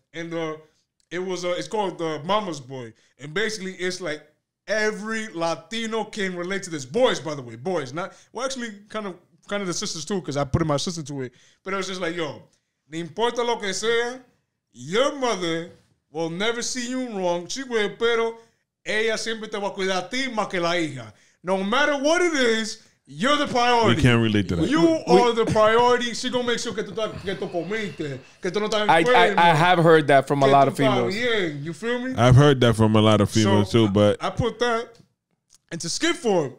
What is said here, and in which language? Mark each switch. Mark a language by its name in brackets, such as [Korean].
[English] And it was, it's called the Mama's Boy. And basically, it's like, every Latino can relate to this. Boys, by the way, boys. Not well, actually, kind of the sisters too, because I put in my sister to it. But it was just like, yo, [Spanish] no importa lo que sea, [English] your mother will never see you wrong. [Spanish] Chico, pero ella siempre te va a cuidar a ti más que la hija. [English] No matter what it is, you're the priority. We can't relate to that. You are the priority. She gonna make sure [Spanish] que tú comiste, que tú no estás enfermo. [English] I have heard that from a lot of females. Yeah, you feel me? I've heard that from a lot of females too, but... I put that into skit form.